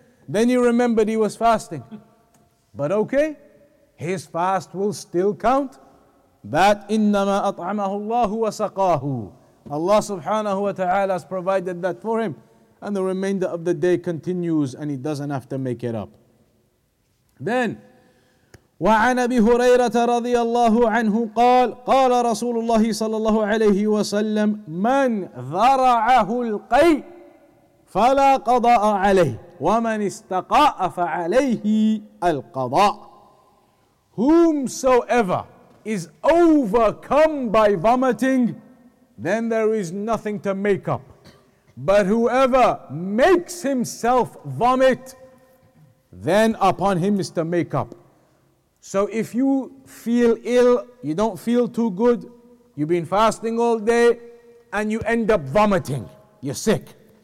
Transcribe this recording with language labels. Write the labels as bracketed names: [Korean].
[English] Then he remembered he was fasting. But okay, his fast will still count. That [Arabic] innama at'amahu Allahu wa saqahu. [English] Allah subhanahu wa ta'ala has provided that for him. And the remainder of the day continues and he doesn't have to make it up. Then, [Arabic] وعن أبي هريرة رضي الله عنه قال قال رسول الله صلى الله عليه وسلم من ذرعه القيء فلا قضاء عليه ومن استقاء فعليه القضاء. [English] Whomsoever is overcome by vomiting, then there is nothing to make up. But whoever makes himself vomit, then upon him is to make up. So if you feel ill, you don't feel too good, you've been fasting all day, and you end up vomiting, you're sick.